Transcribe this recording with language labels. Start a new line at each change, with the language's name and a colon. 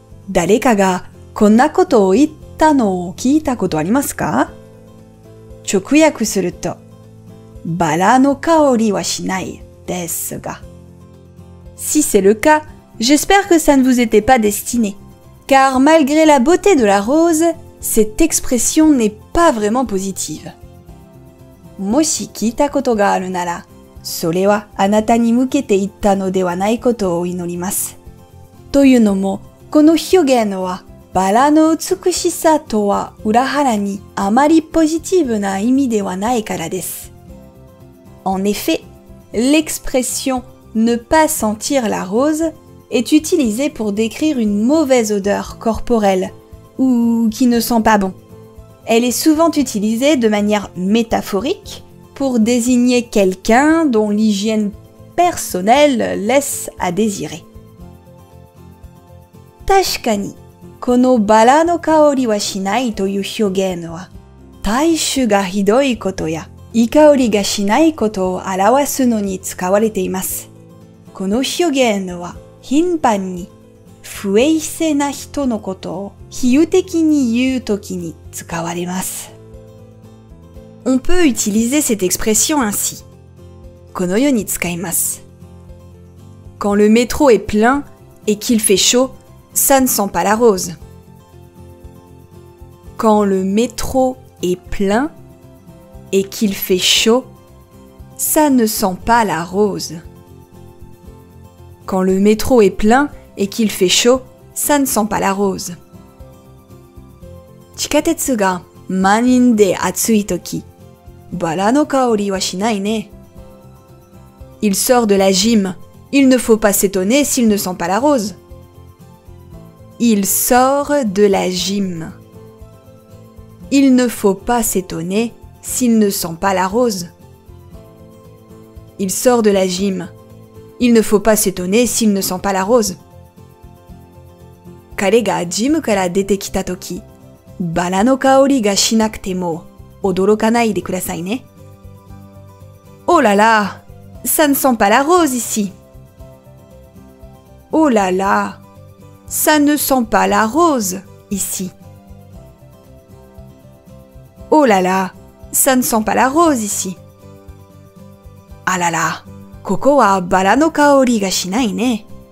Japanese: 誰かがこんなことを言ったのを聞いたことありますか？直訳すると、バラの香りはしないですが。
French: Si c'est le cas, j'espère que ça ne vous était pas destiné. Car malgré la beauté de la rose, cette expression n'est pas vraiment positive.
Japanese: もし聞いたことがあるなら、それはあなたに向けて言ったのではないことを祈ります。というのも、この表現はバラの美しさとは裏腹にあまりポジティブな意味ではないからです。
French: En effet, l'expression ne pas sentir la rose est utilisée pour décrire une mauvaise odeur corporelle ou qui ne sent pas bon. Elle est souvent utilisée de manière métaphorique pour désigner quelqu'un dont l'hygiène personnelle laisse à désirer.
Japanese: 確かに、このバラの香りはしないという表現は、体臭がひどいことや、いい香りがしないことを表すのに使われています。この表現は、頻繁に、不衛生な人のことを比喩的に言うときに使われます。
French: On peut utiliser cette expression ainsi.
Japanese: このように使います。
French: Quand le métro est plein et qu'il fait chaud, ça ne sent pas la rose. Quand le métro est plein et qu'il fait chaud, ça ne sent pas la rose. Quand le métro est plein et qu'il fait chaud, ça ne sent pas la rose.
Japanese: 地下鉄が満員で暑い時、バラの香りはしないね。
French: Il sort de la gym. Il ne faut pas s'étonner s'il ne sent pas la rose. Il sort de la gym. Il ne faut pas s'étonner s'il ne sent pas la rose. Il sort de la gym. Il ne faut pas s'étonner s'il ne sent pas la rose.
Japanese: 彼がジムから出てきたとき、バラの香りがしなくても驚かないでくださいね。
French: Oh là là, ça ne sent pas la rose ici. Oh là là. Ça ne sent pas la rose ici. Oh là là, ça ne sent pas la rose ici. Ah là là,
Japanese: ここはバラの香りがしないね。